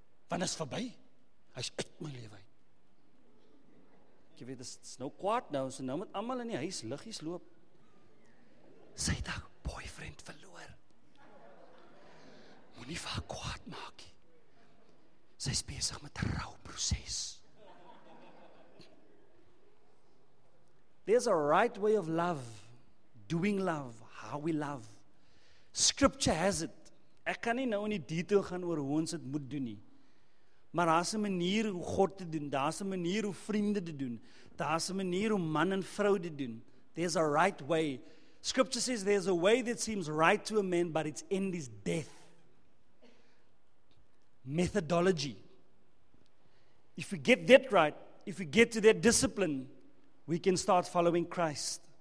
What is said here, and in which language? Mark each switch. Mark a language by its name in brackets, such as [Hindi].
[Afrikaans] Want is verby, hy is uit my lewe uit. Jy weet, dit is nou kwaad nou, so nou moet allemaal in die huis liggies loop. Sy het haar boyfriend verloor. Moet nie vir haar kwaad maak. Sy is bezig met die rouwproces. [English] There's a right way of love, doing love, how we love. Scripture has it. [Afrikaans] Ek kan nie nou in die detail gaan oor hoe ons het moet doen nie. Maar daar is een manier hoe God te doen, daar is een manier hoe vriende te doen, daar is een manier hoe man en vrou te doen. [English] There's a right way. Scripture says there's a way that seems right to a man, but its end is death. Methodology. If we get that right, if we get to that discipline, we can start following Christ.